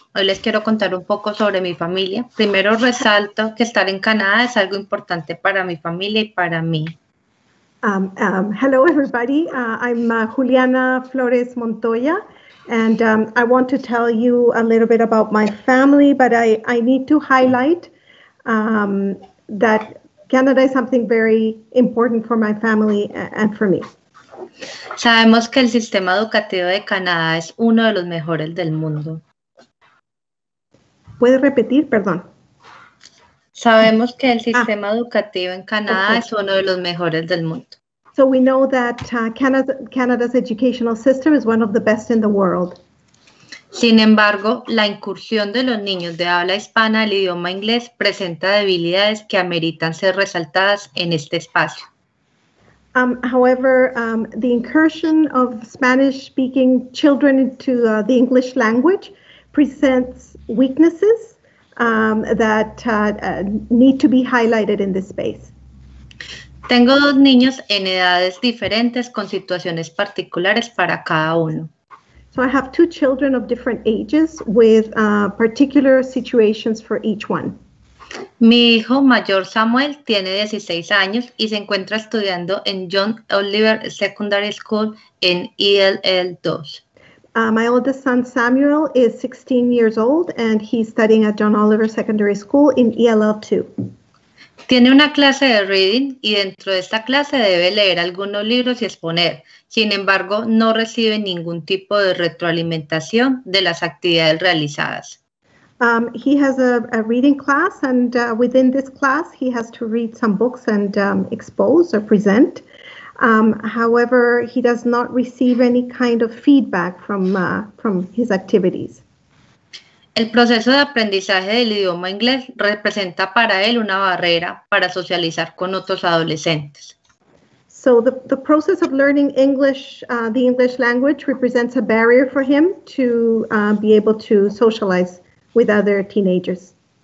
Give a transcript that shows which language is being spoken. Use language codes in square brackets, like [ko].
[es] Hoy les quiero contar un poco sobre mi familia. Primero resalto que estar en Canadá es algo importante para mi familia y para mí. [en] Hello, everybody. I'm Juliana Flores Montoya, and I want to tell you a little bit about my family, but I need to highlight that Canada is something very important for my family and for me. [es] Sabemos que el sistema educativo de Canadá es uno de los mejores del mundo. ¿Puede repetir? Perdón. Sabemos que el sistema educativo en Canadá es uno de los mejores del mundo. [en] So we know that Canada's educational system is one of the best in the world. [es] Sin embargo, la incursión de los niños de habla hispana al idioma inglés presenta debilidades que ameritan ser resaltadas en este espacio. [en] However, the incursion of Spanish-speaking children into the English language presents weaknesses need to be highlighted in this space. [es] Tengo 2 niños en edades diferentes con situaciones particulares para cada uno. [en] So I have 2 children of different ages with particular situations for each one. [es] Mi hijo mayor Samuel tiene 16 años y se encuentra estudiando en John Oliver Secondary School en ELL 2. [en] My oldest son Samuel is 16 years old and he's studying at John Oliver Secondary School in ELL 2. [es] Tiene una clase de reading y dentro de esta clase debe leer algunos libros y exponer. Sin embargo, no recibe ningún tipo de retroalimentación de las actividades realizadas. [en] He has a reading class and within this class he has to read some books and expose or present. However, he does not receive any kind of feedback from his activities. [es] El proceso de aprendizaje del idioma inglés representa para él una barrera para socializar con otros adolescentes. [en] So the process of learning English, the English language, represents a barrier for him to be able to socialize with other teenagers.